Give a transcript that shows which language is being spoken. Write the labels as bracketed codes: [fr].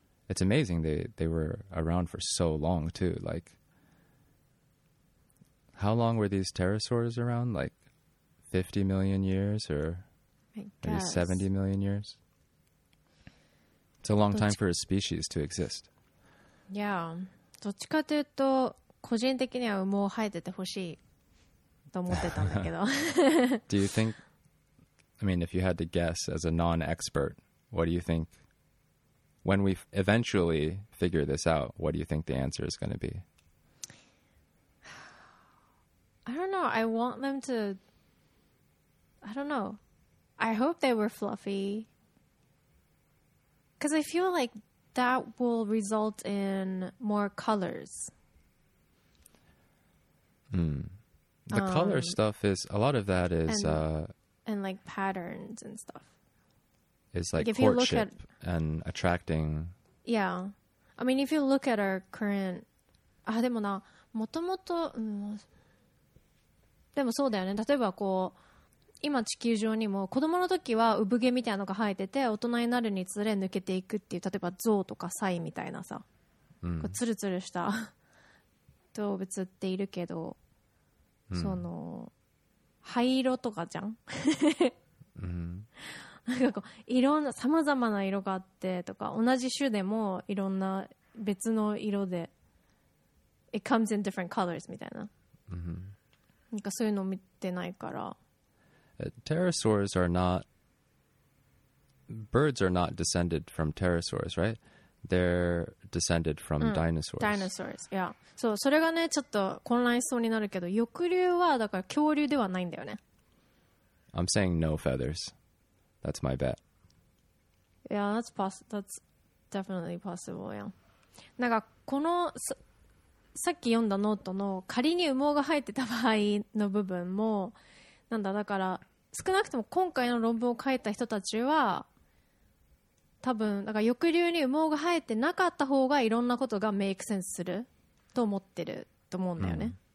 [en] It's amazing they were around for so long too. Like, how long were these pterosaurs around? Like 50 million years or maybe 70 million years? It's a long time for a species to exist. Yeah. [ja] どっちかというと個人的には羽毛生えててほしいと思ってたんだけど。 [en] Do you think, I mean, if you had to guess as a non-expert, what do you think, when we eventually figure this out, what do you think the answer is going to be? I don't know. I want them to, I don't know. I hope they were fluffy. Because I feel like that will result in more colors. Mm. The color stuff is a lot of that is and like patterns and stuff. It's like if courtship you look at, and attracting. Yeah, I mean if you look at our current. [ja] Ah, でもな、もともと、でもそうだよね。例えばこう、今地球上にも子供の時は産毛みたいなのが生えてて、大人になるにつれ抜けていくっていう、例えば象とかサイみたいなさ、 mm. こうツルツルした。動物っているけど、うん、その灰色とかじゃんうん、なんかこういろんなさまざまな色があってとか、同じ種でもいろんな別の色で [en] It comes in different colors [ja] みたいな、うん、なんかそういうの見てないから。 [en] Pterosaurs are not birds are not descended from pterosaurs, right? They're descended from dinosaurs. Dinosaurs, yeah. [ja] So, それがね、ちょっと混乱しそうになるけど、翼竜はだから恐竜ではないんだよね。 [en] I'm saying no feathers. That's my bet. Yeah, that's definitely possible, yeah. [ja] なんかこのさっき読んだノートの仮に羽毛が生えてた場合の部分もなんだ、だから少なくとも今回の論文を書いた人たちは多分だから翼竜に羽毛が生えてなかった方がいろんなことがメイクセンスすると思ってると思うんだよね、